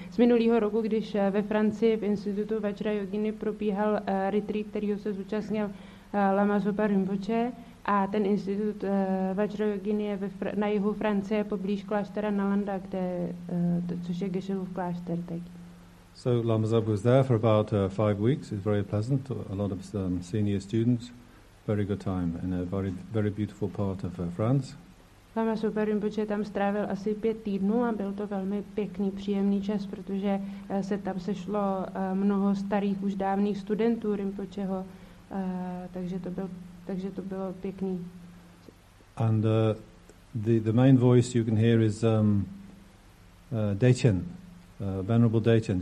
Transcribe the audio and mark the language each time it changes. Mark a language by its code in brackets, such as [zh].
[cs] Z minulého roku, když ve Francii v institutu Vajrayogini probíhal retreat, kterýho se zúčastnil Lama Zopa Rinpoche. A ten institut Vajrayogini je na jihu Francie poblíž kláštera Nalanda, což je Geshe-luv klášter teď. [en] So Lama Zopa was there for about 5 weeks. It's very pleasant. A lot of senior students. Very good time in a very, very beautiful part of France. [cs] Lama Zopa Rinpoche tam strávil asi 5 týdnů a byl to velmi pěkný, příjemný čas, protože se tam sešlo mnoho starých, už dávných studentů Rinpocheho. Takže to bylo pěkný. [en] And the main voice you can hear is Daichen, Venerable Daichen.